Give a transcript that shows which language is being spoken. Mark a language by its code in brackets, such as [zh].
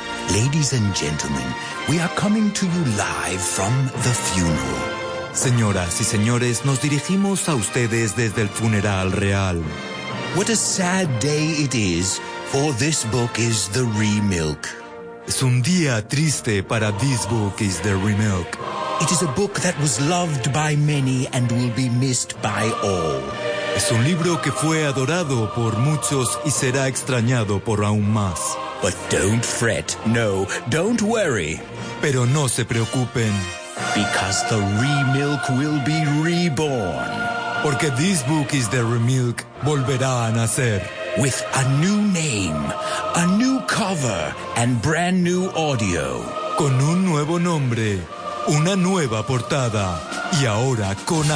[en] Ladies and gentlemen, we are coming to you live from the funeral. [es] Señoras y señores, nos dirigimos a ustedes desde el funeral real. [en] What a sad day it is, for this book is the remilk. [es] Es un día triste para this book is the remilk. [en] It is a book that was loved by many and will be missed by all. [es] Es un libro que fue adorado por muchos y será extrañado por aún más. [en] But don't fret, no, don't worry. [es] Pero no se preocupen. [en] Because the remilk will be reborn. [es] Porque this book is the remilk volverá a nacer. [en] With a new name, a new cover, and brand new audio. [es] Con un nuevo nombre, una nueva portada, y ahora con audio.